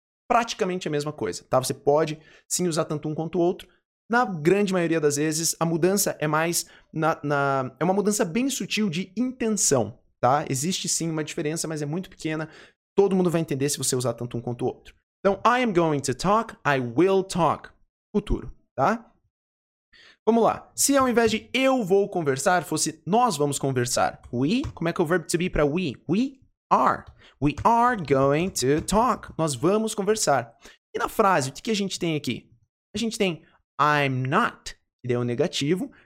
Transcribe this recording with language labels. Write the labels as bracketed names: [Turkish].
[Portuguese] Praticamente a mesma coisa, tá? Você pode sim usar tanto um quanto o outro. Na grande maioria das vezes, a mudança é mais é uma mudança bem sutil de intenção, tá? Existe sim uma diferença, mas é muito pequena. Todo mundo vai entender se você usar tanto um quanto o outro. Então, [English] I am going to talk, I will talk. [Portuguese] Futuro, tá? Vamos lá. Se ao invés de eu vou conversar, fosse nós vamos conversar. [English] We, [Portuguese] como é que é o verbo [English] to be [Portuguese] para [English] we? We are. We are going to talk. [Portuguese] Nós vamos conversar. E na frase, o que a gente tem aqui? A gente tem [English] I'm not, [Portuguese] que deu um negativo.